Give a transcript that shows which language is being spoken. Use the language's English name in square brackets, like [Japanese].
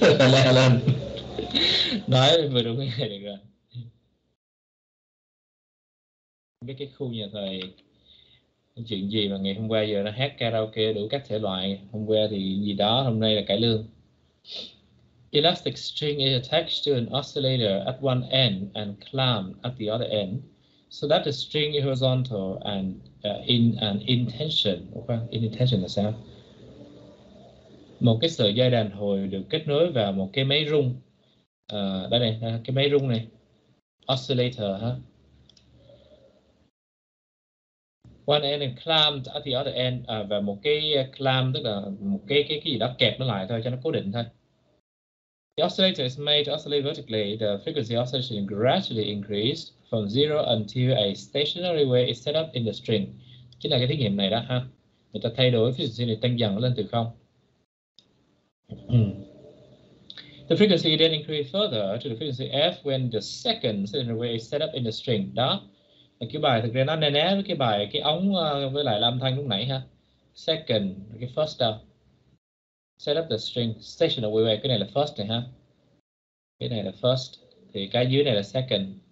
[Vietnamese] Là lên. Nói vừa đúng cái này được rồi. Biết cái khu nhà thầy chuyện gì mà ngày hôm qua giờ nó hát karaoke đủ các thể loại. Hôm qua thì gì đó, hôm nay là cải lương. [English] Elastic string is attached to an oscillator at one end and clamped at the other end, so that the string is horizontal and in an intention. Okay, in intention [Vietnamese] là sao? Một cái sợi dây đàn hồi được kết nối vào một cái máy rung. Đây này, cái máy rung này. Oscillator, ha. [English] One end and clamped at the other end. [Vietnamese] Và một cái clamp, tức là một cái gì đó kẹp nó lại thôi, cho nó cố định thôi. [English] The oscillator is made to oscillate vertically. The frequency oscillation gradually increased from zero until a stationary wave is set up in the string. [Vietnamese] Chính là cái thí nghiệm này đó, ha. Người ta thay đổi frequency này tăng dần lên từ không. [English] The frequency then increases further to the frequency f when the second stationary wave is set up in the string. [Vietnamese] Đó. Cái bài thực ra nó né né với cái bài cái ống với lại âm thanh lúc nãy ha. Second, cái first đó. [English] Set up the string stationary wave, [Vietnamese] cái này là first này ha. Cái này là first thì cái dưới này là second.